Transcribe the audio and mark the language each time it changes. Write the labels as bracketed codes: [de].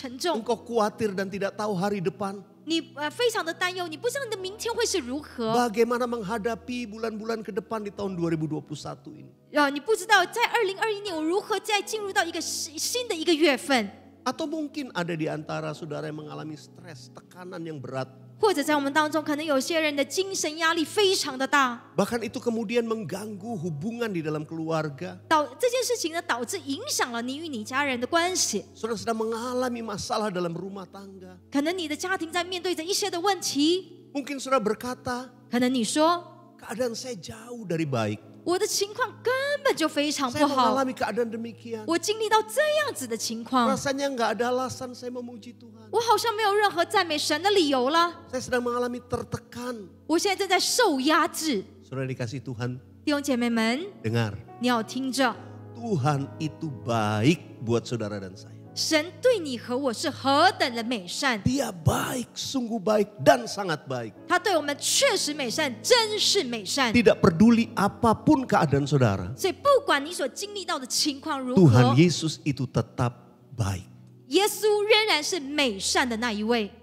[id] Engkau khawatir dan tidak tahu hari depan. [zh] 你非常的担忧，你不知道你的明天会是如何。 [id] Bagaimana menghadapi bulan-bulan ke depan di tahun 2021 ini? [zh] 你不知道在2021年我如何再进入到一个新的一个月份。 [id] Atau mungkin ada di antara saudara yang mengalami stres, tekanan yang berat. [zh] 或者在我们当中，可能有些人的精神压力非常的大。 [id] Bahkan itu kemudian mengganggu hubungan di dalam keluarga. [zh] 导这件事情呢，导致影响了你与你家人的关系。 [id] Sedang mengalami masalah dalam rumah tangga. [zh] 可能你的家庭在面对着一些的问题。 [id] Mungkin sudah berkata. [zh] 可能你说。 [id] Keadaan saya jauh dari baik. [zh] 我的情况根本就非常不好。 [id] Saya mengalami keadaan demikian. [zh] 我经历到这样子的情况。 [id] Rasanya enggak ada alasan saya memuji Tuhan. [zh] 我好像没有任何赞美神的理由了。 [id] Saya sedang mengalami tertekan. [zh] 我现在正在受压制。 [id] Saudara dikasih Tuhan. [zh] 弟兄姐妹们, [id] dengar. [zh] 你要听着。 [id] Tuhan itu baik buat saudara dan saya. [zh] 神对你和我是何等的美善。 [id] Dia baik, sungguh baik dan sangat baik. [zh] 他对我们确实美善, 真是美善。 [id] Tidak peduli apapun keadaan saudara. [zh] 所以不管你所经历到的情况如何, [id] Tuhan Yesus itu tetap baik. [zh] 耶稣仍然是美善的那一位。